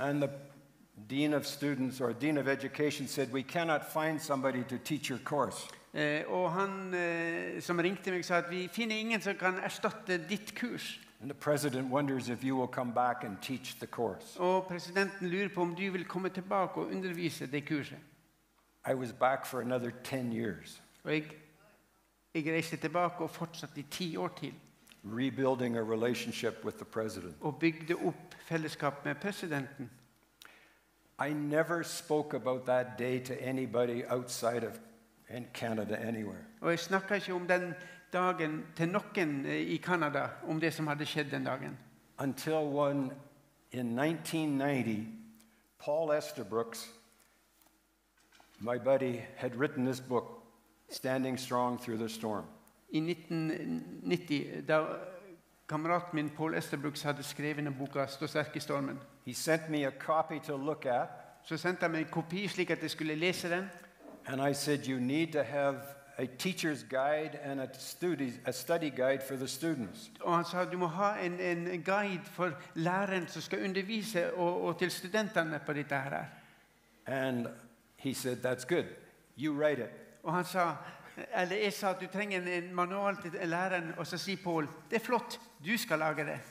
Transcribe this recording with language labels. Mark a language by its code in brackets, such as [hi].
[en] And the dean of students or dean of education said, "We cannot find somebody to teach your course." [sv] Och han som ringde mig sa att vi finner ingen som kan ersätta ditt kurs. [en] And the president wonders if you will come back and teach the course. [sv] Och presidenten lurer på om du vill komma tillbaka och undervisa det kurset. [en] I was back for another 10 years. [sv] Jag reste tillbaka och fortsatte I 10 år till. [en] Rebuilding a relationship with the president. [sv] Och byggde upp fällskap med presidenten. [en] I never spoke about that day to anybody outside of in Canada anywhere. [sv] Och jag snackade inte om den dagen till någon I Kanada om det som hade skett den dagen. [en] Until one in 1990, Paul Estabrooks, my buddy, had written this book, Standing Strong Through the Storm. [sv] I 1990, då kamrat min Paul Estabrooks hade skrivit en bok, Stå stark I stormen. [en] He sent me a copy to look at. [sv] Så sände han mig en kopi så att jag skulle läsa den. [en] And I said, you need to have a teacher's guide and a study guide for the students. [sv] Och han sa du måste ha en guide för läraren som ska undervisa och till studenterna på det här. [en] And he said that's good. You write it. [sv] Och han sa eller jag sa du tränger en manual till läraren och så säger Paul det flott du ska laga det.